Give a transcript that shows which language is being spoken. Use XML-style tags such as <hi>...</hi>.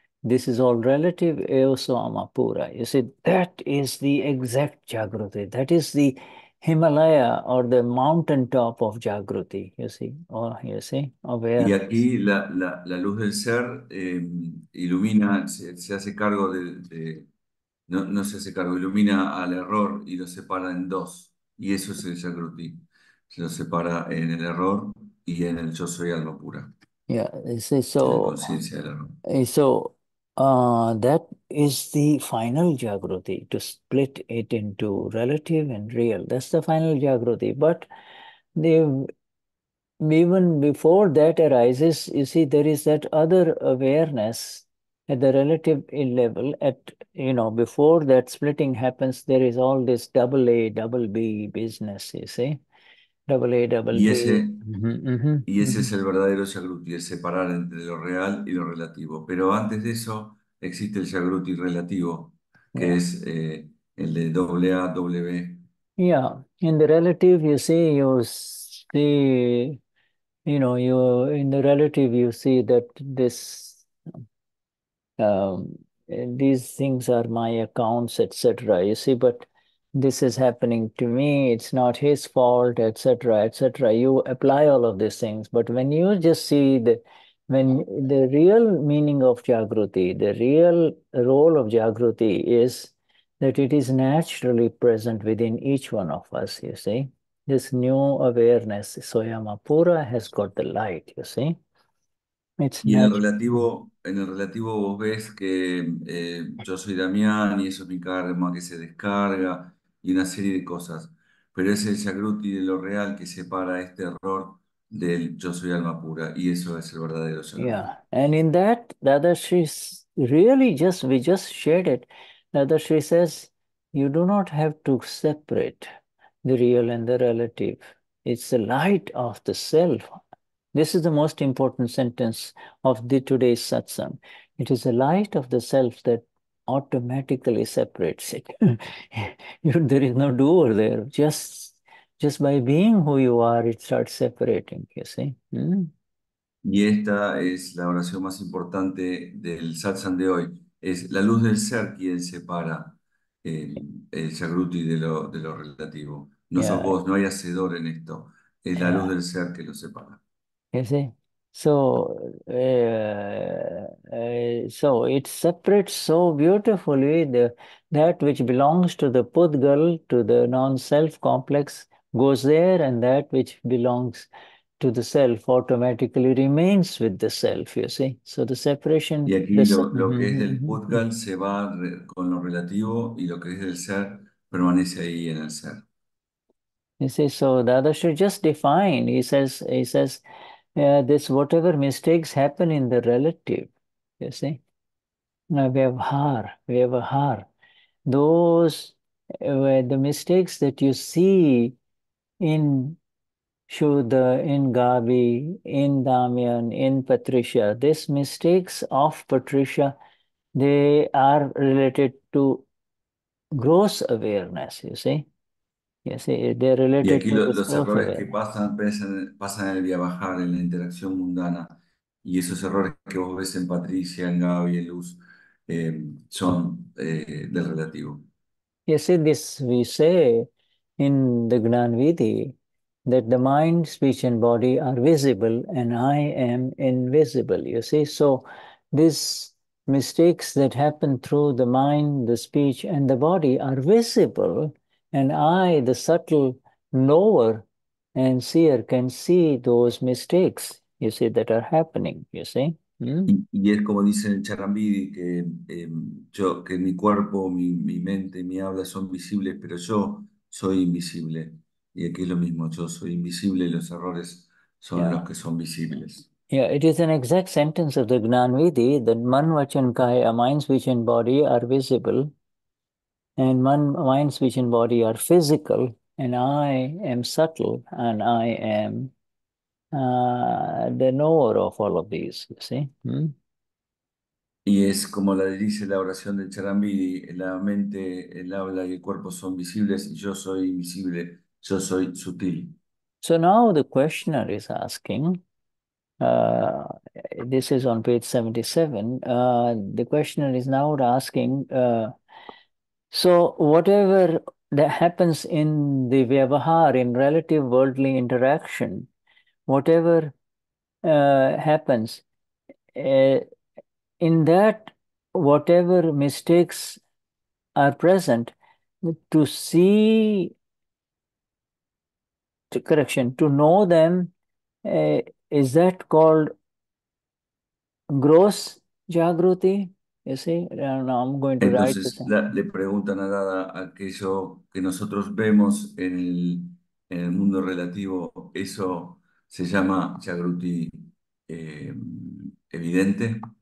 <en>This is all relative, Eoso Amapura. You see, that is the exact Jagruti. That is the Himalaya or the mountain top of Jagruti, you see, or you see, aware.</en> <es>Y aquí la luz del ser ilumina, se hace cargo de no se hace cargo, ilumina al error y lo separa en dos. Y eso es el Jagruti. Se lo separa en el error y en el yo soy alma pura.</es> <en>Yeah, you see, so,</en> <es>En la conciencia del error.</es> <en>So that is the final Jagruti, to split it into relative and real. That's the final Jagruti. But even before that arises, you see, there is that other awareness at the relative level. At, you know, before that splitting happens, there is all this double A, double B business, you see. Double A, double</en> <es>Y ese</es> <en>B.</en> <es>es el verdadero Jagruti, es separar entre lo real y lo relativo. Pero antes de eso, existe el Jagruti relativo, que es el de doble A, doble B.</es> <en>Yeah, in the relative, you see, you know, you in the relative, you see that this, these things are my accounts, etc. You see, but this is happening to me. It's not his fault, etc., etc. You apply all of these things, but when you just see the, when the real meaning of Jagruti, the real role of Jagruti is that it is naturally present within each one of us, you see. This new awareness, Soyamapura, has got the light, you see. It's</en> <es>y en el relativo vos ves que yo soy Damián y eso es mi karma que se descarga y una serie de cosas. Pero es el Jagruti de lo real que separa este error del yo soy alma pura y eso es el verdadero Jagruti.</es> <en>Yeah, and in that, Dadashri really just, we just shared it. Dadashri says, you do not have to separate the real and the relative. It's the light of the self. This is the most important sentence of the today's satsang. It is the light of the self that automatically separates it. There is no doer there. Just by being who you are, it starts separating, you see.</en> <es>Y esta es la oración más importante del satsang de hoy. Es la luz del ser quien separa el Jagruti de lo relativo. No sos vos, no hay hacedor en esto. Es la luz del ser que lo separa.</es> <en>See? So, so it separates so beautifully the that which belongs to the pudgal, to the non-self complex, goes there, and that which belongs to the self automatically remains with the self, you see. So the separation...</en> <es>Y aquí lo que es del pudgal se va con lo relativo y lo que es del ser permanece ahí en el ser.</es> <en>You see, so Dadashri just defined, he says, this whatever mistakes happen in the relative, you see. Now we have a har. Those where the mistakes that you see in Shuddha, in Gabi, in Damian, in Patricia, these mistakes of Patricia, they are related to gross awareness, you see. Yes, they're related</en> <es>y aquí</es> <en>to</en> <es>los errores que pasan en el via bajar, en la interacción mundana, y esos errores que vos ves en Patricia, en Gaby, en Luz, son del relativo.</es> <en>You see, this we say in the Gnanvidhi, that the mind, speech and body are visible and I am invisible, you see. So these mistakes that happen through the mind, the speech and the body are visible. And I, the subtle knower and seer, can see those mistakes, you see, that are happening, you see.</en> <es>Y es como dice el Charambidi, que, yo, que mi cuerpo, mi mente, mi habla son visibles, pero yo soy invisible. Y aquí es lo mismo, yo soy invisible y los errores son los que son visibles.</es> <en>Yeah, it is an exact sentence of the Gnanvidhi, that man, vachan, kaya, mind, speech and body are visible. And mind, speech, and body are physical, and I am subtle, and I am the knower of all of these, you see.</en> <es>Y es como la dice la oración del Charambidi, la mente, el habla y el cuerpo son visibles, y yo soy invisible, yo soy sutil.</es> <en>So now the questioner is asking, this is on page 77, the questioner is now asking, so whatever that happens in the vyavahar, in relative worldly interaction, whatever happens in that, whatever mistakes are present, to know them, is that called gross jagruti? You see, now I'm going to write</en> <es>entonces le preguntan a Dada, aquello que nosotros vemos en el mundo relativo, ¿eso se llama Jagruti evidente?</es>